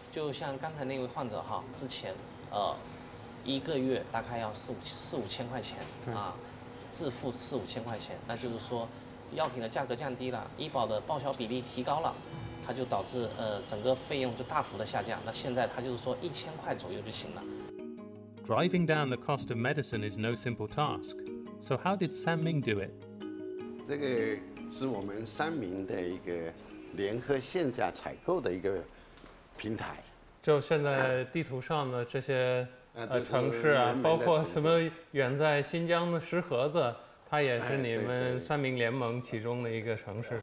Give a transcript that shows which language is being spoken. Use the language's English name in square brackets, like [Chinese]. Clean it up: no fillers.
[Chinese] 就像刚才那位患者哈，之前，一个月大概要4-5千块钱啊，自付4-5千块钱，那就是说，药品的价格降低了，医保的报销比例提高了，它就导致整个费用就大幅的下降。那现在它就是说1000块左右就行了。 [English] Driving down the cost of medicine is no simple task. So how did Sanming do it? [Chinese] 这个是我们三明的一个。联合线下采购的一个平台，就现在地图上的这些城市啊，包括什么远在新疆的石河子，它也是你们三明联盟其中的一个城市。